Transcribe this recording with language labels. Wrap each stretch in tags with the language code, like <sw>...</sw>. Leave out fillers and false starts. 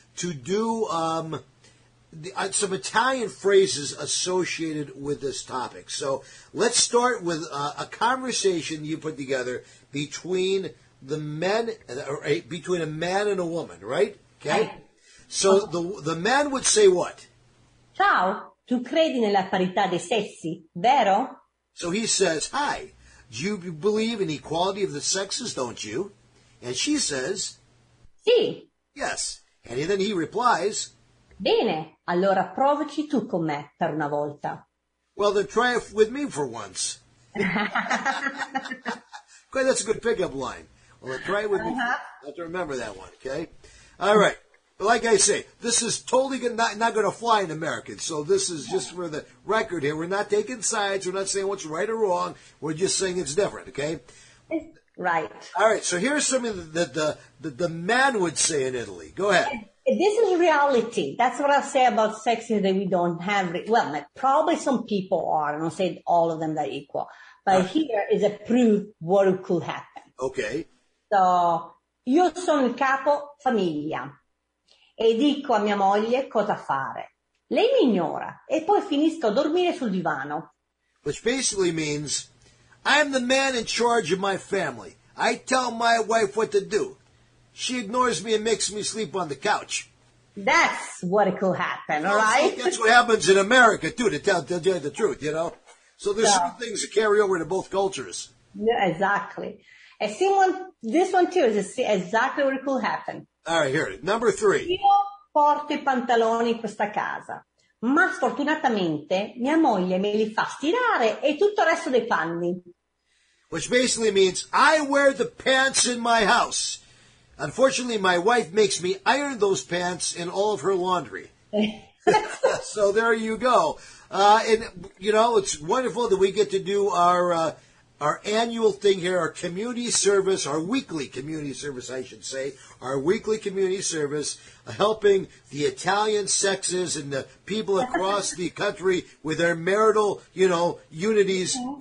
<en>to do some Italian phrases associated with this topic. So let's start with a conversation you put together between the men, between a man and a woman, right? Okay. So the man would say what?</en> <it>Ciao, tu credi nella parità dei sessi, vero?</it> <en>So he says, hi, do you believe in equality of the sexes, don't you? And she says,</en> <it>sì.</it> <en>Yes. And then he replies,</en> <it>bene, allora provaci tu con me per una volta.</it> <en>Well, then try it with me for once. Great, that's a good pickup line. Well, then try it with me. I have to remember that one, okay? All right. But like I say, this is totally not going to fly in America. So this is just for the record here. We're not taking sides. We're not saying what's right or wrong. We're just saying it's different, okay? Right. All right. So here's something that the man would say in Italy. Go ahead. This is reality. That's what I say about sex is that we don't have it. Well, probably some people are. I don't say all of them are equal. But here is a proof what could happen. Okay.</en> <it>So, io sono il capo famiglia. E dico a mia moglie cosa fare. Lei mi ignora e poi finisco a dormire sul divano.</it> <en>Which basically means, I am the man in charge of my family. I tell my wife what to do. She ignores me and makes me sleep on the couch. That's what it could happen, you know, right? That's what happens in America, too, to tell you the truth, you know? So there's some things that carry over to both cultures. Yeah, exactly. A this one, too, is exactly what it could happen. All right, here it is. Number three.</en> <it>Io porto I pantaloni in questa casa, ma sfortunatamente mia moglie me li fa stirare e tutto il resto dei panni.</it> <en>Which basically means I wear the pants in my house. Unfortunately, my wife makes me iron those pants in all of her laundry. So there you go. And, you know, it's wonderful that we get to do our annual thing here, our community service, our weekly community service, I should say, our weekly community service, helping the Italian sexes and the people across the country with their marital, you know, unities. Mm-hmm.</en>